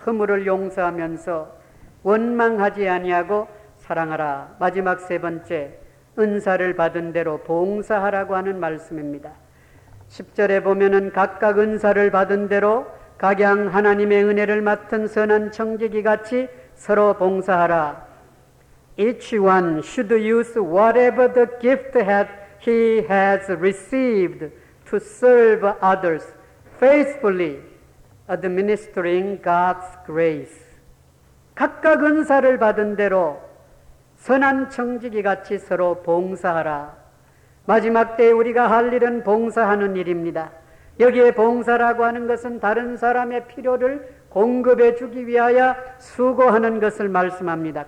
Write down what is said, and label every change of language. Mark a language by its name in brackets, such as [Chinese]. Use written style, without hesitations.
[Korean] 허물을 용서하면서 원망하지 아니하고 사랑하라. 마지막 세 번째, 은사를 받은 대로 봉사하라고 하는 말씀입니다. 10절에 보면은 각각 은사를 받은 대로 각양 하나님의 은혜를 맡은 선한 청지기 같이 서로 봉사하라. [English] Each one should use whatever the gift he has received to serve others faithfully, administering God's grace. [Korean] 각각 은사를 받은 대로 선한 청지기 같이 서로 봉사하라. 마지막 때 우리가 할 일은 봉사하는 일입니다. 여기에 봉사라고 하는 것은 다른 사람의 필요를 공급해 주기 위하여 수고하는 것을 말씀합니다.